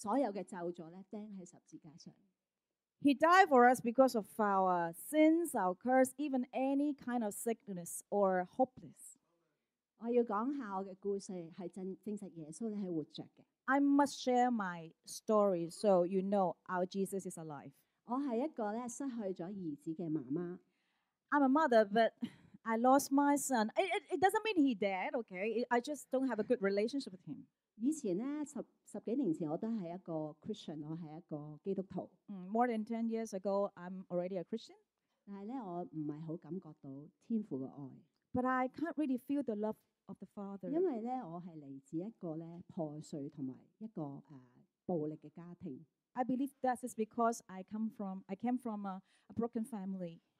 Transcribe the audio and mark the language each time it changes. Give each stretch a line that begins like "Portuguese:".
Chinese: 耶穌是活著的,耶穌是為我們釘在十字架上。
English: He died for us because of our sins, our curse, even any kind of sickness or hopeless.
Chinese: 我要講下我的故事,是證實耶穌是活著的。
English: I must share my story so you know our Jesus is alive.
Chinese: 我是一個失去了兒子的媽媽。
English: I'm a mother, but I lost my son. It doesn't mean he's dead, okay? I just don't have a good relationship with him.
Chinese: 以前呢,十幾年前我都是一個Christian,我是一個基督徒。
English: More than 10 years ago, I'm already a Christian.
Chinese: 但是呢,我不是很感覺到天父的愛。
English: But I can't really feel the love of the Father.
Chinese: 因為呢,我是來自一個破碎和一個暴力的家庭。
English: I believe that is because I came from a broken family.